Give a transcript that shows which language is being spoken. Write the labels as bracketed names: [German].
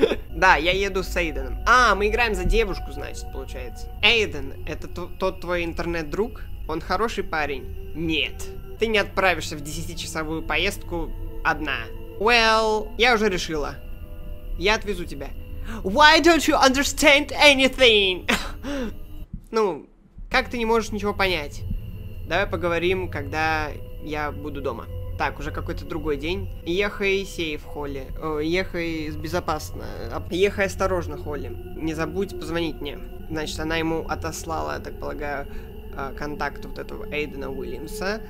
[Russian] Да, я еду с Эйденом. А, мы играем за девушку, значит, получается. Эйден, это тот твой интернет-друг? Он хороший парень? Нет. Ты не отправишься в 10-часовую поездку одна. Well, я уже решила. Я отвезу тебя. [English] Why don't you understand anything? [Russian] Ну, как ты не можешь ничего понять? Давай поговорим, когда я буду дома. Так, уже какой-то другой день. Ехай сейф, Холли. Ехай безопасно. Ехай осторожно, Холли. Не забудь позвонить мне. Значит, она ему отослала, я так полагаю, контакт вот этого Эйдена Уильямса.